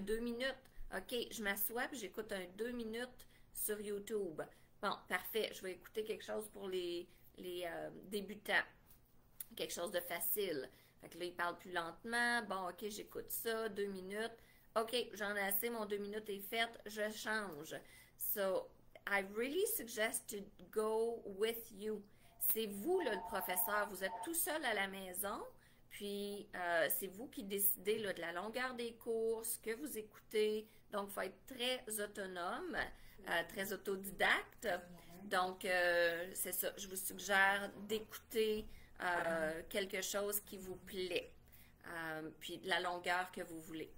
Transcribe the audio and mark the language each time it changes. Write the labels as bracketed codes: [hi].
[fr] 2 minutes, OK, je m'assois, puis j'écoute 2 minutes sur YouTube. Bon, parfait, je vais écouter quelque chose pour les débutants. Quelque chose de facile. Fait que là, il parle plus lentement. Bon, OK, j'écoute ça, 2 minutes. OK, j'en ai assez, mon 2 minutes est faite, je change. [en] So, I really suggest to go with you. [fr] C'est vous, là, le professeur, vous êtes tout seul à la maison, puis c'est vous qui décidez là, de la longueur des cours, ce que vous écoutez. Donc, il faut être très autonome, très autodidacte. Donc, c'est ça, je vous suggère d'écouter quelque chose qui vous plaît, puis de la longueur que vous voulez.